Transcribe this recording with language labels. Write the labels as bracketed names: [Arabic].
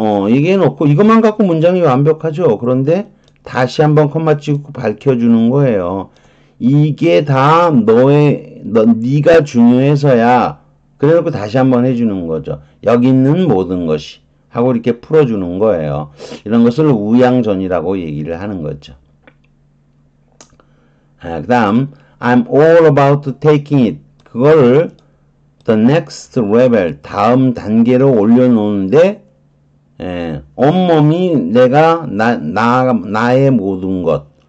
[Korean] 얘기해 놓고 이것만 갖고 문장이 완벽하죠. 그런데 다시 한번 콤마 찍고 밝혀 주는 거예요. 이게 다 네가 중요해서야. 그래 놓고 다시 한번 해 주는 거죠. 여기 있는 모든 것이 하고 이렇게 풀어 주는 거예요. 이런 것을 우향전이라고 얘기를 하는 거죠. 그다음 [English] I'm all about taking it. [Korean] 그거를 [English] the next level, [Korean] 다음 단계로 올려놓는데, 온몸이 내가, 나의 모든 것.